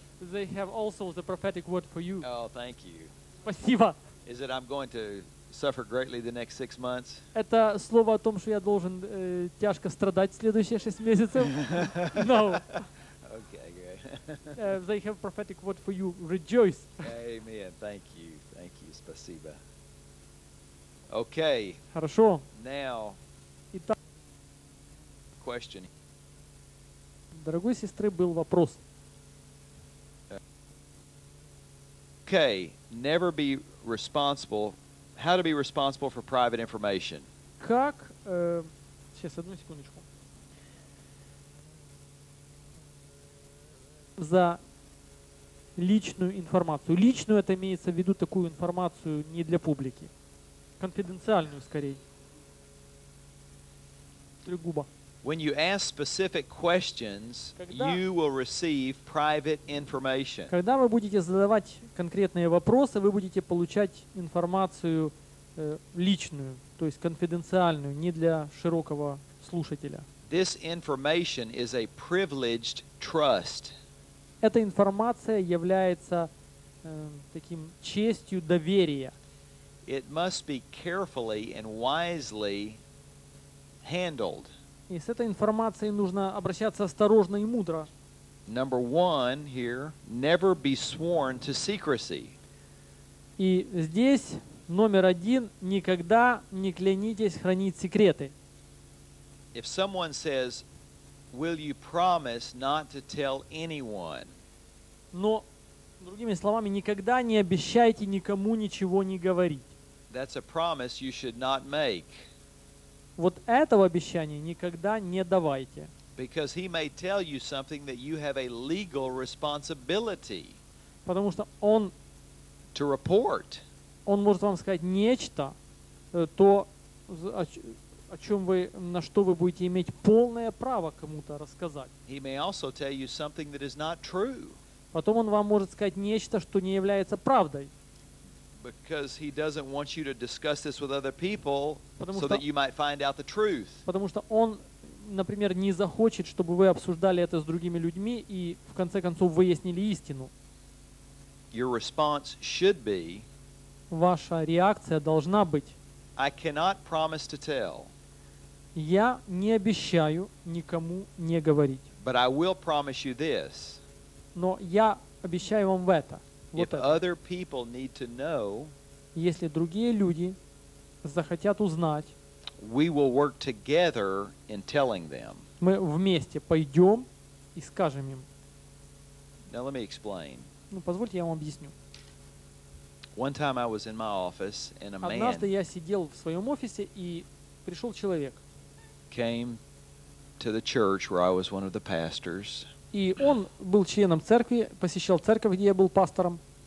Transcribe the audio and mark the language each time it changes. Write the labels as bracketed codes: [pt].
[en] They have also the prophetic word for you. Oh, thank you. [ru] Спасибо. [en] Is it I'm going to suffer greatly the next 6 months? [ru] Это слово о том, что я должен тяжко страдать следующие 6 месяцев? [en] No. Okay, good. They have prophetic word for you. Rejoice. Amen. Thank you. Thank you. [ru] Спасибо. [en] Okay. [ru] Хорошо. [en] Now. [ru] Итак. [en] Question. [ru] Дорогой сестры, был вопрос. [en] Okay, never be responsible. How to be responsible for private information? [ru] Как? Сейчас одну секундочку. За личную информацию. Личную — это имеется в виду такую информацию не для публики, конфиденциальную, скорее. Трегуба. [en] When you ask specific questions, you will receive private information. [ru] Когда вы будете задавать конкретные вопросы, вы будете получать информацию личную, то есть конфиденциальную, не для широкого слушателя. [en] This information is a privileged trust. [ru] Эта информация является таким честью доверия. [en] It must be carefully and wisely handled. [ru] И с этой информацией нужно обращаться осторожно и мудро. [en] Number one here, never be sworn to secrecy. [ru] И здесь номер один, никогда не клянитесь хранить секреты. [en] If someone says, will you promise not to tell anyone? [ru] Но, другими словами, никогда не обещайте никому ничего не говорить. [en] That's a promise you should not make. [ru] Вот этого обещания никогда не давайте. [en] Because he may tell you something that you have a legal responsibility. [ru] Потому что он, [en] to report. [ru] Он может вам сказать нечто, то, о чем вы, на что вы будете иметь полное право кому-то рассказать. [en] He may also tell you something that is not true. [ru] Потом он вам может сказать нечто, что не является правдой. [en] Because he doesn't want you to discuss this with other people, so that you might find out the truth. [ru] Потому что он, например, не захочет, чтобы вы обсуждали это с другими людьми и в конце концов выяснили истину. [en] Your response should be. [ru] Ваша реакция должна быть. [en] I cannot promise to tell. [ru] Я не обещаю никому не говорить. [en] But I will promise you this. [ru] Но я обещаю вам это. [en] If other people need to know, [ru] если другие люди захотят узнать, [en] we will work together in telling them. [ru] Мы вместе пойдем и скажем им. [en] Now let me explain. [ru] Ну, позвольте, я вам объясню. [en] One time I was in my office and a man. [ru] Однажды я сидел в своем офисе и пришел человек. [en] Came to the church where I was one of the pastors. [ru] И он был членом церкви, посещал церковь, где я был пастором.